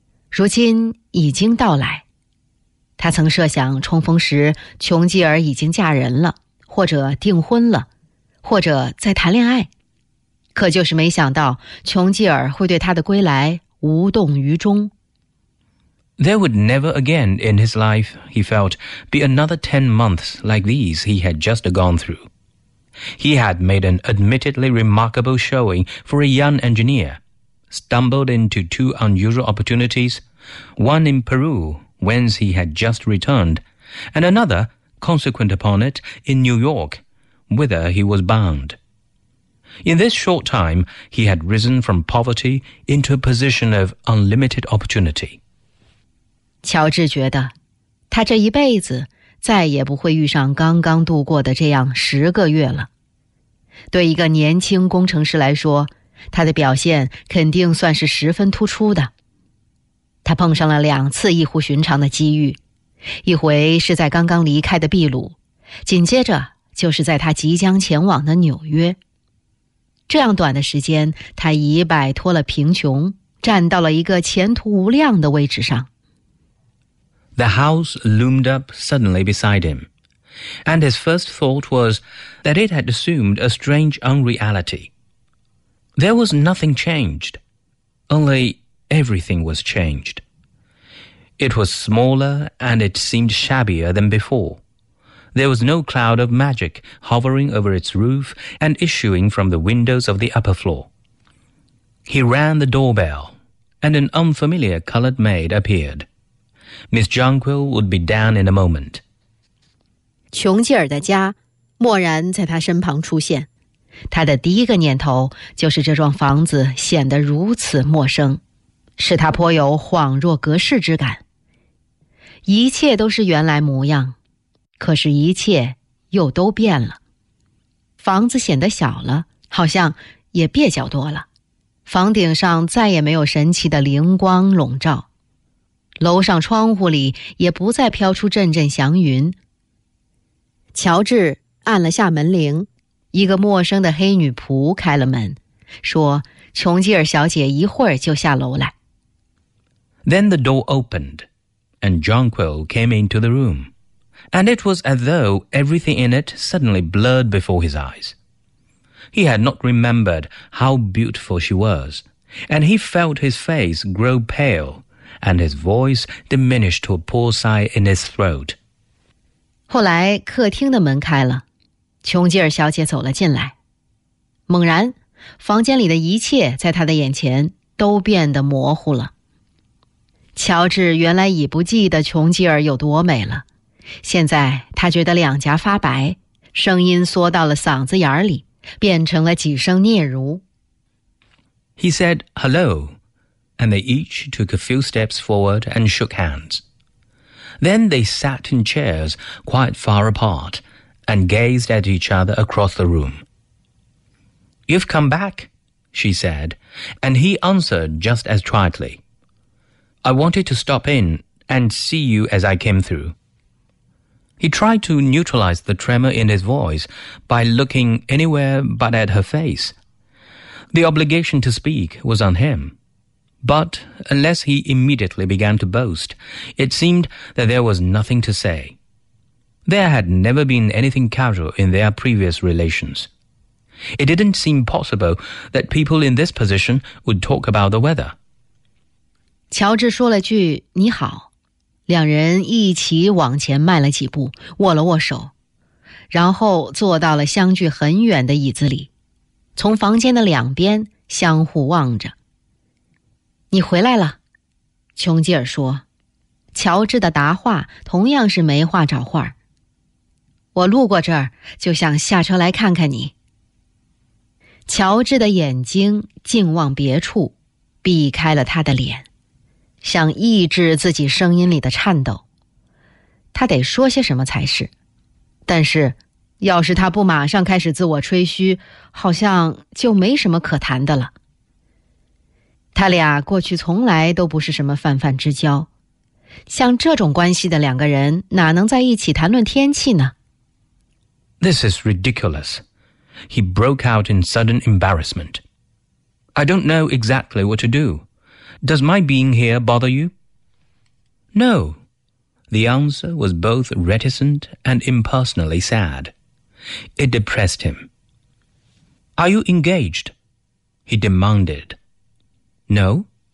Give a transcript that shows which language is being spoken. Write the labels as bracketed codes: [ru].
[zh] 如今已经到来。他曾设想重逢时琼基尔已经嫁人了，或者订婚了，或者在谈恋爱。可就是没想到琼基尔会对他的归来无动于衷。 [en] There would never again in his life, he felt, be another 10 months like these he had just gone through. He had made an admittedly remarkable showing for a young engineer, stumbled into two unusual opportunities, one in Peru, whence he had just returned, and another, consequent upon it, in New York, whither he was bound. In this short time, he had risen from poverty into a position of unlimited opportunity. [zh] 乔治觉得，他这一辈子再也不会遇上刚刚度过的这样十个月了。对一个年轻工程师来说，他的表现肯定算是十分突出的。他碰上了两次异乎寻常的机遇，一回是在刚刚离开的秘鲁，紧接着就是在他即将前往的纽约。这样短的时间，他已摆脱了贫穷，站到了一个前途无量的位置上。 [en] The house loomed up suddenly beside him, and his first thought was that it had assumed a strange unreality. There was nothing changed, only everything was changed. It was smaller and it seemed shabbier than before. There was no cloud of magic hovering over its roof and issuing from the windows of the upper floor. He rang the doorbell, and an unfamiliar colored maid appeared. Miss Jonquil would be down in a moment. [zh] 琼基尔的家蓦然在他身旁出现，他的第一个念头就是这幢房子显得如此陌生，使他颇有恍若隔世之感。一切都是原来模样，可是一切又都变了。房子显得小了，好像也蹩脚多了，房顶上再也没有神奇的灵光笼罩，楼上窗户里也不再飘出阵阵祥云。乔治按了下门铃，一个陌生的黑女仆开了门，说琼基尔小姐一会儿就下楼来。 [en] Then the door opened, and Jonquil came into the room, and it was as though everything in it suddenly blurred before his eyes. He had not remembered how beautiful she was, and he felt his face grow pale,and his voice diminished to a poor sigh in his throat. [zh] 后来客厅的门开了，琼基尔小姐走了进来。猛然，房间里的一切在她的眼前都变得模糊了。乔治原来已不记得琼基尔有多美了，现在他觉得两颊发白，声音缩到了嗓子眼里，变成了几声嗫嚅。 [en] He said, hello. And they each took a few steps forward and shook hands. Then they sat in chairs quite far apart and gazed at each other across the room. You've come back, she said, and he answered just as tritely. I wanted to stop in and see you as I came through. He tried to neutralize the tremor in his voice by looking anywhere but at her face. The obligation to speak was on him. But unless he immediately began to boast, it seemed that there was nothing to say. There had never been anything casual in their previous relations. It didn't seem possible that people in this position would talk about the weather. [zh] 乔治说了句你好，两人一起往前迈了几步，握了握手，然后坐到了相距很远的椅子里，从房间的两边相互望着。你回来了，琼吉尔说。乔治的答话同样是没话找话。我路过这儿，就想下车来看看你。乔治的眼睛竟往别处，避开了他的脸，想抑制自己声音里的颤抖。他得说些什么才是？但是，要是他不马上开始自我吹嘘，好像就没什么可谈的了。他俩过去从来都不是什么泛泛之交，像这种关系的两个人哪能在一起谈论天气呢？ [en] This is ridiculous. He broke out in sudden embarrassment. I don't know exactly what to do. Does my being here bother you? No. The answer was both reticent and impersonally sad. It depressed him. Are you engaged? He demanded. No.